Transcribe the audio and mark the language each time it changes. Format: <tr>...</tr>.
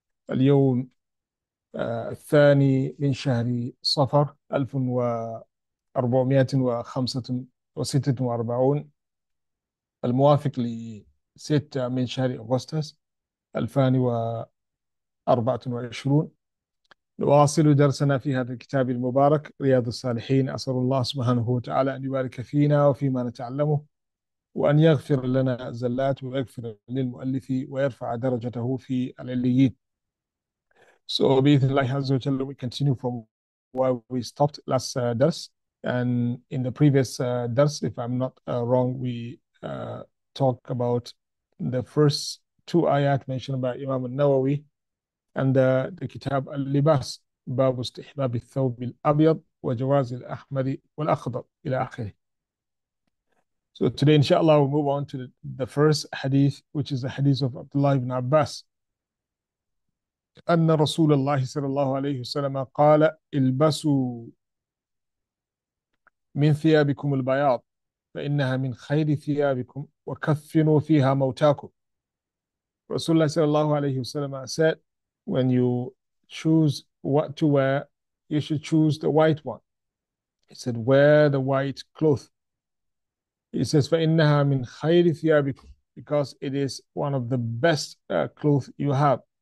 <ar>اليوم الثاني من شهر صفر 1446 الموافق لستة من شهر أغسطس 2024، نواصل درسنا في هذا الكتاب المبارك رياض الصالحين. أسأل الله سبحانه وتعالى أن يبارك فينا وفيما نتعلمه، وأن يغفر لنا الزلات ويغفر للمؤلف ويرفع درجته في العليين.</ar> <en>So</en> <ar>بإذن الله عز وجل</ar> <en>we continue from where we stopped last درس. And in the previous درس, if I'm not wrong, we talked about the first two آيات mentioned by Imam al-Nawawi. And the</en> <ar>كتاب اللباس باب استحباب الثوب الأبيض وجواز الأحمر والأخضر إلى آخره.</ar> <en>So today, inshallah, we'll move on to the first hadith, which is the hadith of Abdullah ibn Abbas.</en> <ar>أن رسول الله صلى الله عليه وسلم قال إلبسوا من ثيابكم البياض فإنها من خير ثيابكم وكفنوا فيها موتاكم. رسول الله صلى الله عليه وسلم</ar> <en>said, when you choose what to wear, you should choose the white one. He said, wear the white cloth. He says,</en> <ar>فَإِنَّهَا مِنْ خَيْرِ ثِيَابِكُمْ,</ar> <en>because it is one of the best clothes you have.</en>